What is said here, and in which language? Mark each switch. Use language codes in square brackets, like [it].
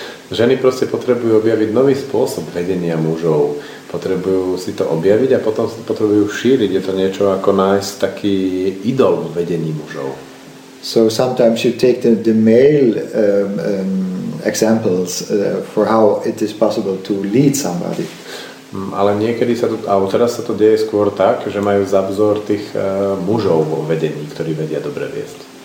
[sk] Ženy proste potrebujú objaviť nový spôsob vedenia mužov. Potrebujú si to objaviť a potom si to potrebujú šíriť. Je to niečo ako nájsť taký idol v vedení mužov. [en] So sometimes you take the male examples for how it is possible to lead somebody. [sk] Ale niekedy sa to, alebo teraz sa to deje skôr tak, že majú za vzor tých mužov vo vedení, ktorí vedia dobre viesť.